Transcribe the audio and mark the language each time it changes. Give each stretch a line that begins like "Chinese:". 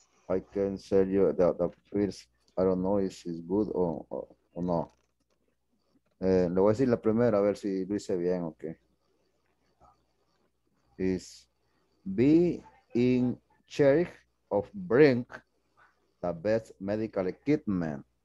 English: I can tell you that the first, I don't know if it's good or no.
Spanish: Le voy a decir la primera, a ver si lo hice bien, okay.
English: Is be in charge of bring the best medical equipment.